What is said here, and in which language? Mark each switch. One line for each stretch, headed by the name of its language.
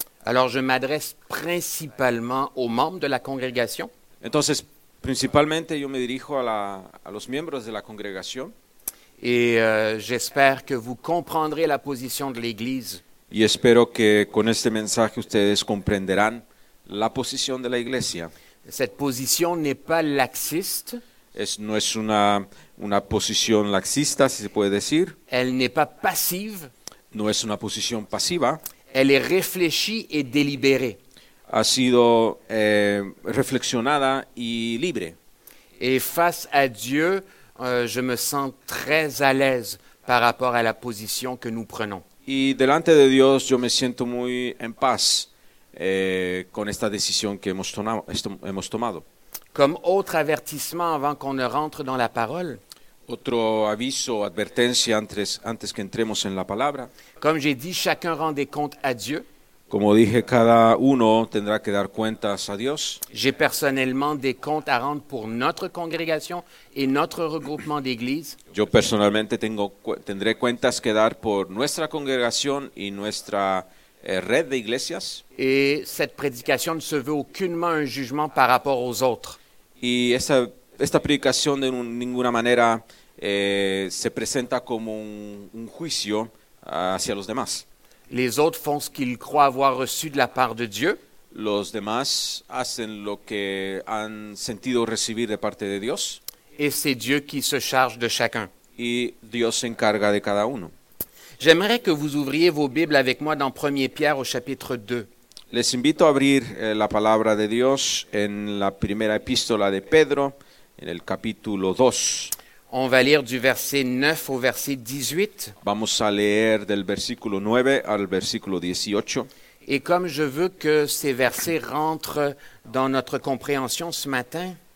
French: Alors, je m'adresse principalement aux membres de la congrégation.
Spanish: Entonces, principalmente, yo me dirijo a los miembros de la congregación.
French: Et j'espère que vous comprendrez la position de l'Église.
Spanish: Y espero que con este mensaje ustedes comprenderán la posición de la iglesia.
French: Cette position n'est pas laxiste.
Spanish: No es una posición laxista, si se puede decir.
French: Elle n'est pas passive.
Spanish: No es una posición pasiva.
French: Elle est réfléchie et délibérée.
Spanish: Ha sido reflexionada y libre.
French: Et face à Dieu, je me sens très à l'aise par rapport à la position que nous prenons.
Spanish: Y delante de Dios, yo me siento muy en paz con esta decisión que hemos tomado.
French: Comme autre avertissement avant qu'on ne rentre dans la parole.
Spanish: Otro aviso, advertencia antes que entremos en la palabra.
French: Comme j'ai dit, chacun rend des comptes à Dieu.
Spanish: Como dije, cada uno tendrá que dar cuentas a Dios.
French: J'ai personnellement des comptes à rendre pour notre congrégation et notre regroupement d'église.
Spanish: Yo personalmente tendré cuentas que dar por nuestra congregación y nuestra red de iglesias.
French: Et cette prédication ne se veut aucunement un jugement par rapport aux autres.
Spanish: Y esta predicación de ninguna manera se presenta como un juicio hacia los demás.
French: Les autres font ce qu'ils croient avoir reçu de la part de Dieu.
Spanish: Los demás hacen lo que han sentido recibir de parte de Dios.
French: Et c'est Dieu qui se charge de chacun.
Spanish: Y Dios se encarga de cada uno.
French: J'aimerais que vous ouvriez vos Bibles avec moi dans 1 Pierre au chapitre 2.
Spanish: Les invito a abrir la palabra de Dios en la primera epístola de Pedro, en el capítulo 2.
French: On va lire du verset 9 au verset 18.
Spanish: Vamos a leer del versículo 9 al versículo 18.
French: Et comme je veux que ces versets rentrent dans notre compréhension ce matin.